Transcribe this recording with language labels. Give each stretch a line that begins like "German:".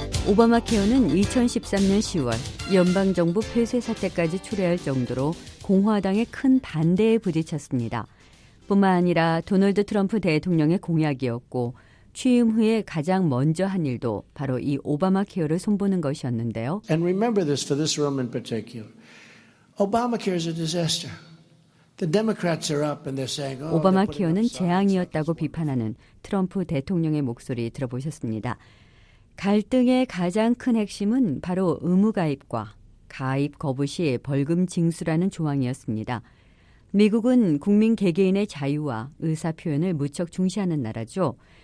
Korean: 오바마 케어는 2013년 10월 연방정부 폐쇄 사태까지 초래할 정도로 공화당의 큰 반대에 부딪혔습니다. 뿐만 아니라 도널드 트럼프 대통령의 공약이었고 취임 후에 가장 먼저 한 일도 바로 이 오바마 케어를 손보는 것이었는데요.
English: And remember this for this room in particular. Obamacare is a disaster. The Democrats are up and they're saying, oh,
Korean: 오바마 케어는 재앙이었다고 비판하는 트럼프 대통령의 목소리 들어보셨습니다. 갈등의 가장 큰 핵심은 바로 의무 가입과 가입 거부 시 벌금 징수라는 조항이었습니다. 미국은 국민 개개인의 자유와 의사 표현을 무척 중시하는 나라죠.